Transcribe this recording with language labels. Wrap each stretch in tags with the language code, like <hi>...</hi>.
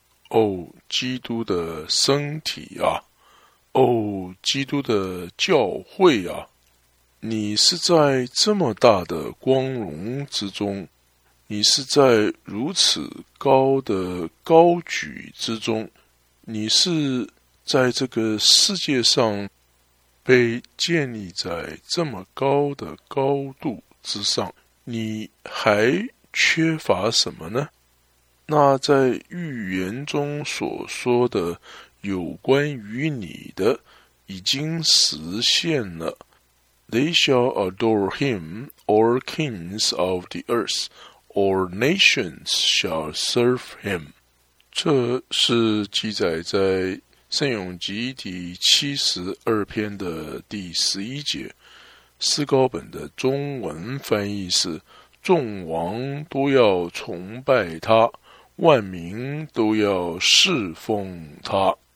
<zh>哦，基督的身体啊，哦，基督的教会啊，你是在这么大的光荣之中，你是在如此高的高举之中，你是在这个世界上被建立在这么高的高度之上，你还缺乏什么呢？那在预言中所说的有关于你的已经实现了，</zh> <en>They shall adore him, or kings of the earth, or nations shall serve him.</en> <zh>这是记载在圣咏集第72篇的第11节。诗高本的中文翻译是：众王都要崇拜他，万民都要侍奉他。</zh>